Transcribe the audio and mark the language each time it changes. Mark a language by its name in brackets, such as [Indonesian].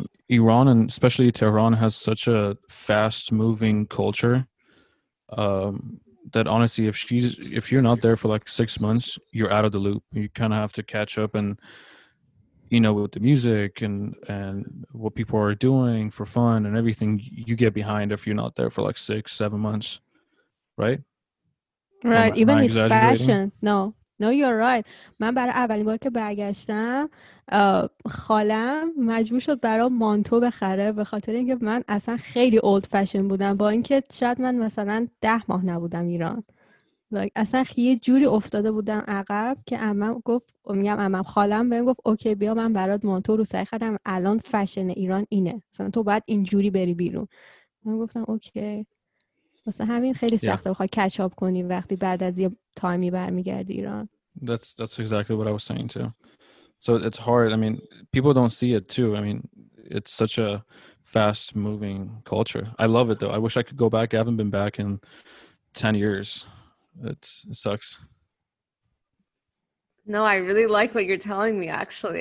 [English] Iran and especially Tehran has such a fast moving culture that honestly if you're not there for like 6 months you're out of the loop. You kind of have to catch up and, you know, with the music and what people are doing for fun and everything, you get behind if you're not there for like 6-7 months, right? Right. Even with fashion. No, you're right. [Persian] من برای اولین بار که برگشتم خالم مجبور شد برای مانتو بخره، به خاطر اینکه من اصلا خیلی اولد فشن بودم، با اینکه شاید من مثلا 10 ماه نبودم ایران. Like, اصلا یه جوری افتاده بودم عقب که عمم گفت، میگم عمم، خالم بهم گفت اوکی بیا من برات مانتو رو سعی خدم، الان فشن ایران اینه، مثلا تو باید اینجوری بری بیرون. من گفتم اوکی. واسه همین خیلی سخته بخوای کچاپ کنی وقتی بعد از یه تایمی برمیگردی ایران. [English] That's exactly what I was saying too. So it's hard. I mean, people don't see it too. I mean, it's such a fast moving culture. I love it though. I wish I could go back. I haven't been back in 10 years. It sucks. No, I really like what you're telling me actually.